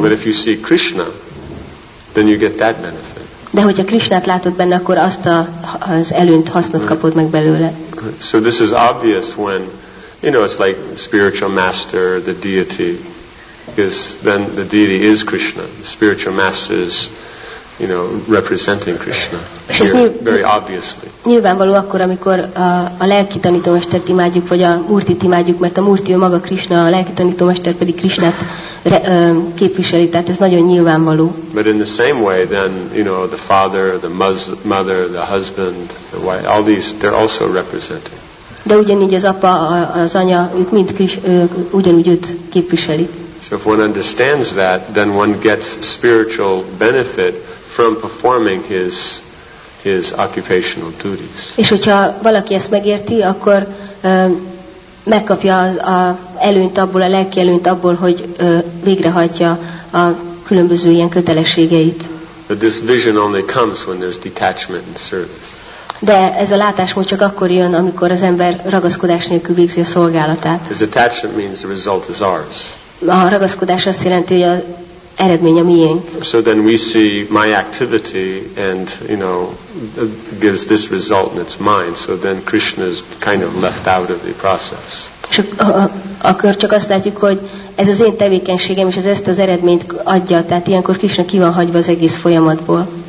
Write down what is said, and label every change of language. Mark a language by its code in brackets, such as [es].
[en] But if you see Krishna, then you get that benefit. [hu] De hogyha Krishnát látod benne, akkor azt az előnyt, hasznot kapod meg belőle. [en] So this is obvious when, you know, it's like spiritual master, the deity. because then the deity is Krishna, the spiritual master is, you know, representing Krishna here, very obviously. [hu] Nyilvánvaló akkor, amikor a lelki tanítómestert imádjuk, vagy a Murtit imádjuk, mert a Murti ő maga Krishna, a lelki tanítómester pedig Krishnát képviseli, tehát ez nagyon nyilvánvaló. [en] But in the same way, then, you know, the father, the mother, the husband, the wife, all these, they're also representing. [hu] De ugyanígy az apa, az anya, ők mind ugyanúgy őt képviseli. [en] So if one understands that, then one gets spiritual benefit from performing his occupational duties. [hu] És hogyha valaki ezt megérti, akkor megkapja a előnyt abból, a lelki előnyt abból, hogy végrehajtja a különböző ilyen kötelességeit. [en] But this vision only comes when there's detachment and service. [hu] De ez a látásmód csak akkor jön, amikor az ember ragaszkodás nélkül végzi a szolgálatát. [en] His attachment means the result is ours. [hu] A ragaszkodás azt jelenti, hogy az eredmény a miénk. [en] So then we see my activity and, you know, gives this result and it's mine. So then Krishna is kind of left out of the process. [hu] Akkor csak azt látjuk, hogy ez az én tevékenységem és ez ezt az eredményt adja. Tehát ilyenkor Krishna ki van hagyva az egész folyamatból.